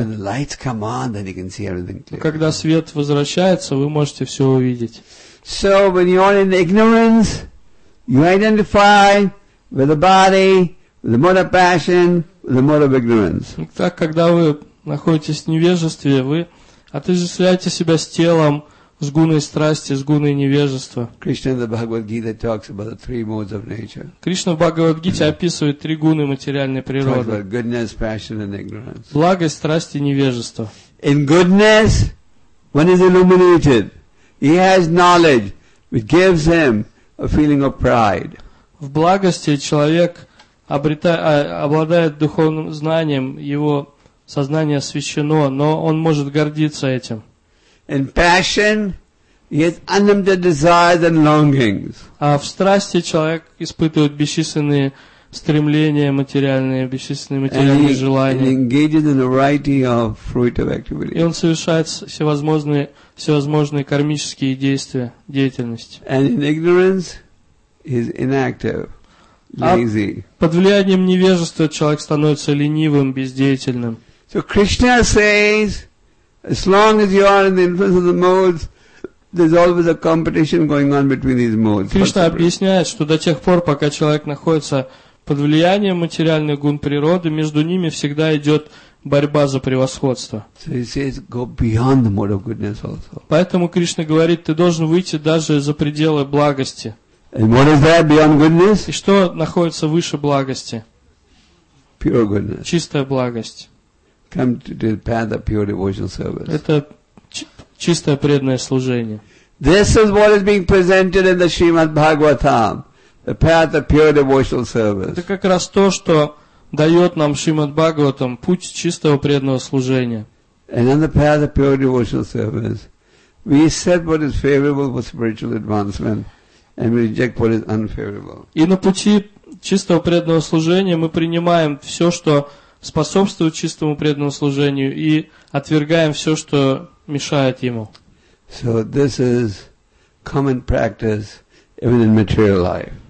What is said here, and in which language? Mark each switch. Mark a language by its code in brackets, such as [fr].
[en] But when the lights come on, then you can see everything clearly. [ru] Когда свет возвращается, вы можете все увидеть. [en] So when you're in ignorance, you identify with the body, with the mode of passion, with the mode of ignorance. [ru] Так, когда вы находитесь в невежестве, вы отождествляете себя с телом, с гуной страсти, с гуной невежества. [en] Krishna in the Bhagavad Gita talks about the three modes of nature. [ru] Кришна в Бхагавад Гите описывает три гуны материальной природы. [en] Talks about goodness, passion and ignorance. [ru] Благость, страсть и невежество. [en] In goodness, one is illuminated. He has knowledge, which gives him a feeling of pride. [ru] В благости человек обладает духовным знанием, его сознание освящено, но он может гордиться этим. [en] In passion, he has unlimited desires and longings. [ru] А в страсти человек испытывает бесчисленные стремления материальные, бесчисленные материальные желания. [en] And he engages in a variety of fruitive activities. [ru] И он совершает всевозможные кармические действия, деятельность. [en] And in ignorance, he's inactive, lazy. [ru] А под влиянием невежества человек становится ленивым, бездеятельным. [en] So Krishna says, as long as you are in the influence of the modes, there's always a competition going on between these modes. [ru] Krishna объясняет, что до тех пор, пока человек находится под влиянием материальных гун природы, между ними всегда идет борьба за превосходство. [en] So he says, go beyond the mode of goodness also. [ru] Поэтому Кришна говорит, ты должен выйти даже за пределы благости. [en] And what is that beyond goodness? [ru] И что находится выше благости? [en] Pure goodness. [ru] Чистая благость. [en] Come to the path of pure devotional service. [ru] Это чистое преданное служение. [en] This is what is being presented in the Srimad Bhagavatam. The path of pure devotional service. [ru] Это как раз то, что дает нам Шримад Бхагаватам путь чистого преданного служения. [en] And on the path of pure devotional service, we set what is favorable for spiritual advancement. And we reject what is unfavorable. [ru] И на пути чистого преданного служения мы принимаем все, что способствует чистому преданному служению, и отвергаем все, что мешает ему. [en] So this is common practice even in material life.